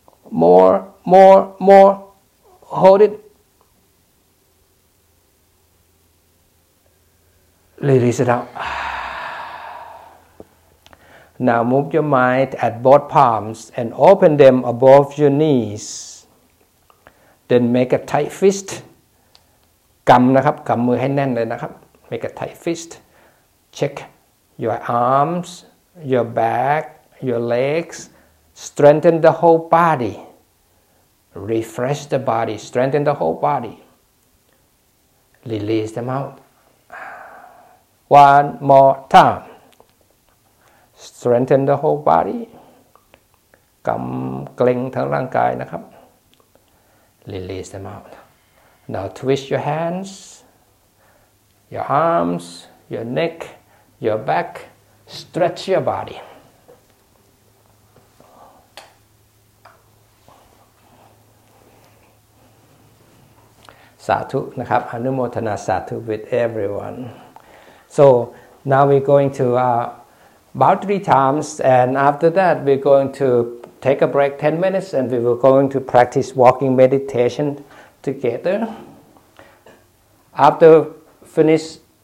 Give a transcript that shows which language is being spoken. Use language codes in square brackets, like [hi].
[en] More, more, more. Hold it. Release it out. Now move your mind at both palms and open them above your knees. Then make a tight fist. [th] กำนะครับ กำมือให้แน่นเลยนะครับ [en] Make a tight fist. Check your arms. Your back, your legs, strengthen the whole body. Refresh the body, strengthen the whole body. release them out. One more time. Strengthen the whole body. [th] กำเกร็งทั้งร่างกายนะครับ [en] Release them out. Now twist your hands, your arms, your neck, your back. Stretch your body. [th] สาธุนะครับอนุโมทนาสาธุ [en] with everyone. So now we're going to bow three times, and after that we're going to take a break 10 minutes and we were going to practice walking meditation together. After finish